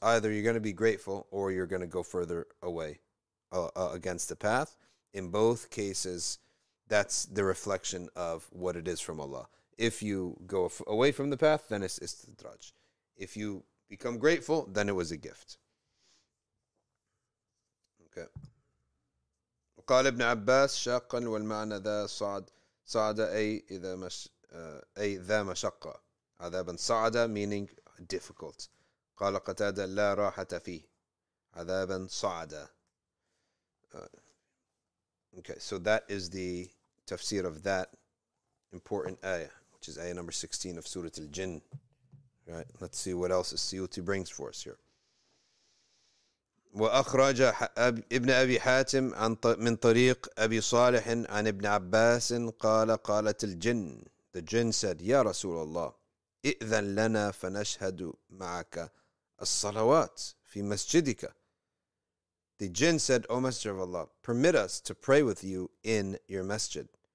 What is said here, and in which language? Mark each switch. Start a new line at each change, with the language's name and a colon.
English: Either you're going to be grateful or you're going to go further away against the path. In both cases, that's the reflection of what it is from Allah. If you go away from the path, then it's istidraj. If you become grateful, then it was a gift. Okay.
Arabic: وقال ابن عباس شاقا والمعنى ذا صعد صعد أي ذا مشقة عذابا صعد,
English: meaning difficult.
Arabic: قال قتادة لا راحة فيه عذابا صعد.
English: Okay, so that is the tafsir of that important ayah, which is ayah number 16 of Surah Al-Jinn. Right, let's see what else the Suyuti brings for us here.
Arabic: وأخرج ابن أبي حاتم عن من طريق أبي صالح عن ابن عباس قال قالت الجن
English: the jinn said
Arabic: يا رسول الله إذن لنا فنشهد معك الصلوات في مسجدك.
English: The jinn said, O Messenger of Allah, permit us to pray with you in your masjid.